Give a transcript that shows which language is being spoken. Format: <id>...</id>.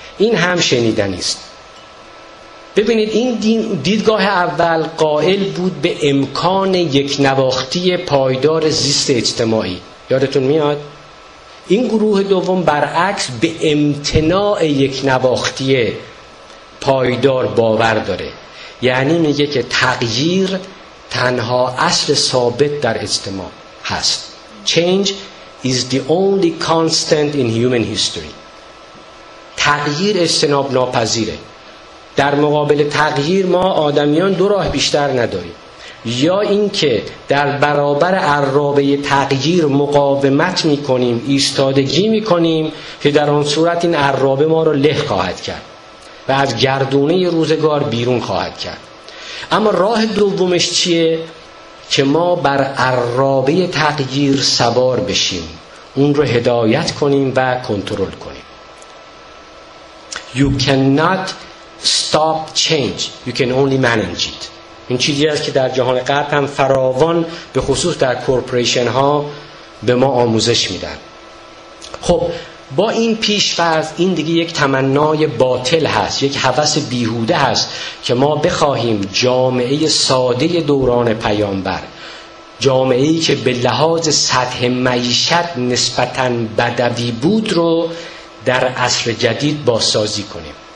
<fa>این هم شنیدنی است. ببینید این دیدگاه اول قائل بود به امکان یک نواختی پایدار زیست اجتماعی، یادتون میاد؟ این گروه دوم برعکس به امتناع یک نواختی پایدار باور داره، یعنی میگه که تغییر تنها اصل ثابت در اجتماع هست.</fa> <en>Change is the only constant in human history.</en> <fa>تغییر اجتناب ناپذیره. در مقابل تغییر ما آدمیان دو راه بیشتر نداریم، یا اینکه در برابر عرابه تغییر مقاومت میکنیم، ایستادگی میکنیم که در آن صورت این عرابه ما رو له خواهد کرد و از گردونه روزگار بیرون خواهد کرد. اما راه دومش چیه؟ که ما بر عرابه تغییر سوار بشیم، اون رو هدایت کنیم و کنترل کنیم.</fa> <en>You cannot stop change, you can only manage it.</en> <fa>این چیزی است که در جهان غرب هم فراوان به خصوص در کورپوریشن ها به ما آموزش میدن. خب با این پیش فرض، این دیگه یک تمنای باطل هست، یک هوس بیهوده هست که ما بخواهیم جامعه ساده دوران پیامبر، جامعه ای که به لحاظ سطح معیشت نسبتاً بدوی بود رو در عصر جدید بازسازی کنیم.</fa>